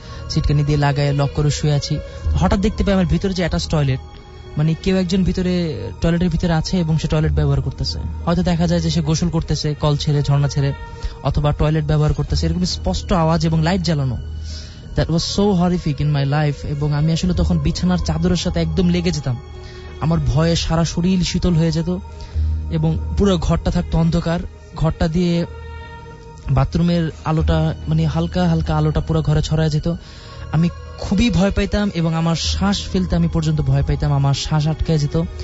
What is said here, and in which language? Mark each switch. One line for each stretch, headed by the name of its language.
Bangla: ছিটকানি দিয়ে লাগায় লক করে শুয়ে আছি, হঠাৎ দেখতে পাই আমার ভিতরে যে অ্যাটাচ টয়লেট, মানে কেউ একজন ভিতরে টয়লেটের ভিতরে আছে এবং সে টয়লেট ব্যবহার করতেছে। হয়তো দেখা যায় যে সে গোসল করতেছে, কল ছেড়ে ঝর্ণা ছেড়ে অথবা টয়লেট ব্যবহার করতেছে, এরকম স্পষ্ট আওয়াজ এবং লাইট জ্বালানো।
English: That was so horrific in my life.
Bangla: এবং আমি আসলে তখন বিছানার চাদরের সাথে একদম লেগে যেতাম, আমার ভয়ে সারা শরীর শীতল হয়ে যেত এবং পুরো ঘরটা থাকতো অন্ধকার। ঘরটা দিয়ে বাথরুমের আলোটা, মানে হালকা হালকা আলোটা পুরো ঘরে ছড়ায় যেত। আমি খুবই ভয় পাইতাম এবং আমার শ্বাস ফেলতে আমি পর্যন্ত ভয় পাইতাম, আমার শ্বাস আটকে যেত।